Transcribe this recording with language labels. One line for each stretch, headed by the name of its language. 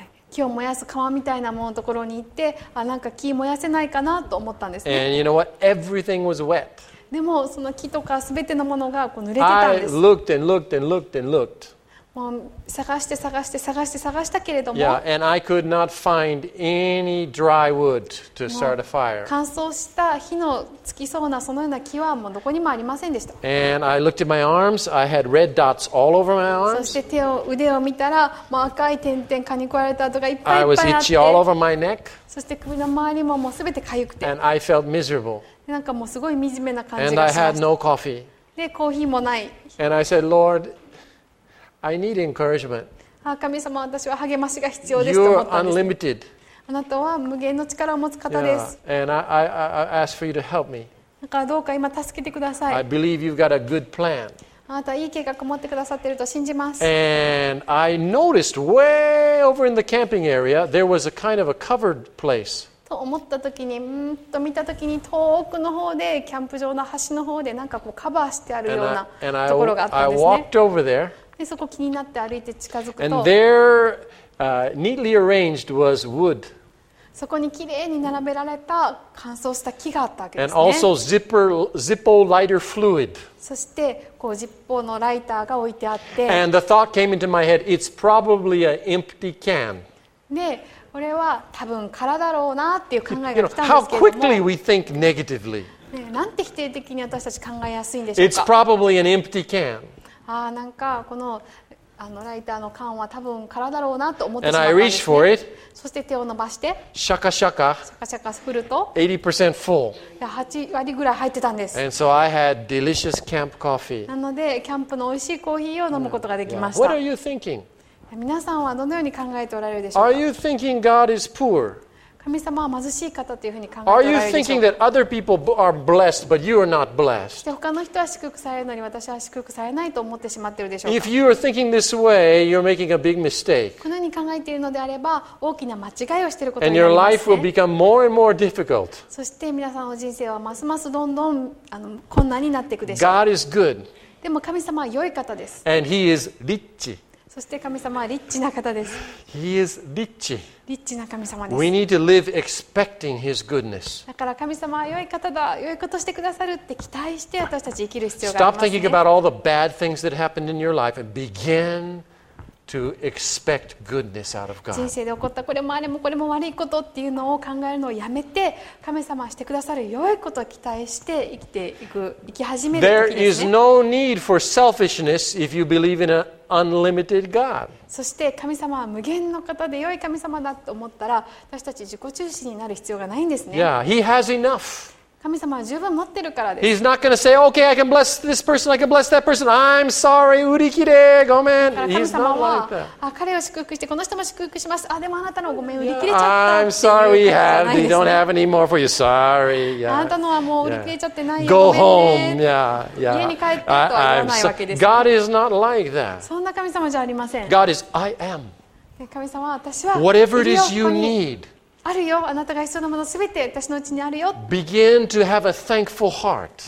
Japanese: 木を燃やす川みたいなもののところに行って、あ、なんか木燃やせないかなと思ったんですね。
English: And you know what? Everything was wet.
Japanese: でもその木とかすべてのものがこう濡れてたんです。
English: I looked and looked and looked and looked.
Japanese: もう探して探して探して探したけれども、
English: Yeah, and I could not find any dry wood to start a fire.
Japanese: 乾燥した火のつきそうなそのような木はもうどこにもありませんでした。
English: And I looked at my arms. I had red dots all over my arms.
Japanese: そして腕を見たら、もう赤い点々蚊に食われた跡がいっぱいいっぱいあって。
English: I was itchy all over my neck.
Japanese: そして首の周りももうすべて痒くて。
English: And I felt miserable.
Japanese: なんかもうすごい惨めな感じがしました。
English: And I had no coffee.
Japanese: でコーヒーもない。
English: And I said, Lord. I need encouragement.
Japanese: 神様、私は励ましが必要ですと思ったんです。
English: You are
Japanese: あなたは無限の力を持つ方です。
English: Yeah. And I ask for you to help me.
Japanese: だからどうか今助けてください。
English: I believe you've got a good plan.
Japanese: あなたはいい計画を持ってくださっていると信じます。
English: And I noticed way over in the camping area there was a kind of a covered place.
Japanese: と思った時に、と見た時に遠くの方でキャンプ場の端の方でなんかこうカバーしてあるようなところがあったんですね。
English: And I walked over there.
Japanese: でそこ気になって歩いて近づくと、
English: And there, neatly arranged was wood.
Japanese: そこにきれいに並べられた乾燥した木があったわけですね。
English: And also Zippo lighter fluid.
Japanese: そしてこうZippoのライターが置いてあって、
English: And the thought came into my head, it's probably an empty can.
Japanese: で、これは多分空だろうなっていう考えが来たんですけども、
English: You know, how quickly we think negatively.
Japanese: ね、なんて否定的に私たち考えやすいんでし
English: ょうか。It's probably an empty can.
Japanese: あなんかこ の, あのライターの缶は多分空だろうなと思ってしまったんです、ね、
English: And I reached for it.
Japanese: そして手を伸ばしてシャカシャカシャカシャカ振ると
English: 80% full.
Japanese: 8割ぐらい入ってたんです。
English: And so I had delicious camp coffee.
Japanese: なのでキャンプの美味しいコーヒーを飲むことができました。
English: What are you thinking?
Japanese: 皆さんはどのように考えておられるでしょうか。
English: Are you thinking God is poor?
Japanese: 神様は貧しい方というふうに考えておられるでしょう。
English: Are you thinking that other people are blessed but you are not blessed?
Japanese: 他の人は祝福されるのに私は祝福されないと思ってしまっているでしょうか。
English: If you are thinking this way, you're making a big mistake.
Japanese: このように考えているのであれば大きな間違いをしていることになりますね。
English: will become more and more difficult.
Japanese: そして皆さんの人生はますますどんどん困難になっていくでしょう。
English: God is good.
Japanese: でも神様は良い方です。
English: And he is rich.
Japanese: そして神様はリッチな方です。
English: He is rich.
Japanese: リッチな神様です。
English: We need to live expecting His goodness.
Japanese: だから神様は良い方だ、良いことしてくださるって期待して私たち生きる必要がありますね。
English: Stop thinking about all the bad things that happened in your life and begin to expect goodness out of God.
Japanese: 人生で起こったこれもあれもこれも悪いことっていうのを考えるのをやめて、神様はしてくださる良いことを期待して生きていく、生き始める時ですね。
English: There is no need for selfishness if you believe in aUnlimited God.
Japanese: そして神様は無限の方で良い神様だと思ったら、私たち自己中心になる必要がないんですね。
English: Yeah, he has enough.
Japanese: 神様は十分持ってるからです。
English: He's not going to say, "Okay, I can bless this person, I can bless that person. I'm sorry,
Japanese: 売り切れ、ごめん。
English: He's not like that.
Japanese: 彼を祝福して、この人も祝福します。あ、でもあなたのごめん、売り切れちゃった。
English: Yeah, I'm sorry, we have, we don't have any more for you. Sorry. Yeah.
Japanese: あなたのはもう売り切れちゃってないよ。
English: Go home. Yeah, yeah.
Japanese: 家に帰ってとは言わないわけです。
English: God is not like that.
Japanese: そんな神様じゃありません。
English: God is, I am.
Japanese: 神様は私は。
English: Whatever it is you need.
Japanese: あるよ、あなたが必要なものすべて私のうちにあるよ。
English: Begin to have a thankful heart.